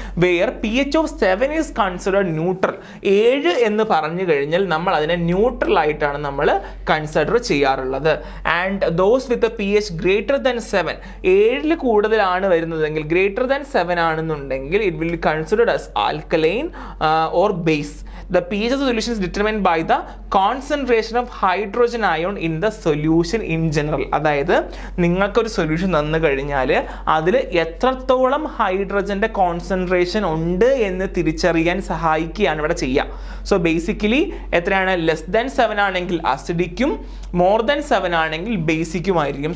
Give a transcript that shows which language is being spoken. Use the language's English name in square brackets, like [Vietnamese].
[English] Where P H of 7 is considered neutral. [Malayalam] 7 എന്ന് പറഞ്ഞു കഴിഞ്ഞാൽ നമ്മൾ അതിനെ ന്യൂട്രൽ ആയിട്ടാണ് നമ്മൾ കൺസിഡർ ചെയ്യാറുള്ളത്. [English] and those with P H greater than 7, [Malayalam] 7 കൂടുതലാണ് വരുന്നതെങ്കിൽ, [English] Greater than 7 ആണെന്നുണ്ടെങ്കിൽ it will be considered as alkaline or base. The pH of the solution is determined by the concentration of hydrogen ion in the solution in general. [Malayalam] അതായത് നിങ്ങൾക്കൊരു solution തന്നു കഴിഞ്ഞാൽ അതിൽ എത്രത്തോളം ഹൈഡ്രജൻ്റെ concentration ഉണ്ട് എന്ന് തിരിച്ചറിയാൻ സഹായിക്കുകയാണ് ഇവിടെ ചെയ്യുക. സോ ബേസിക്കലി എത്രയാണ്? ലെസ് ദാൻ 7 ആണെങ്കിൽ അസിഡിക്കും, മോർ ദാൻ 7 ആണെങ്കിൽ ബേസിക്കുമായിരിക്കും.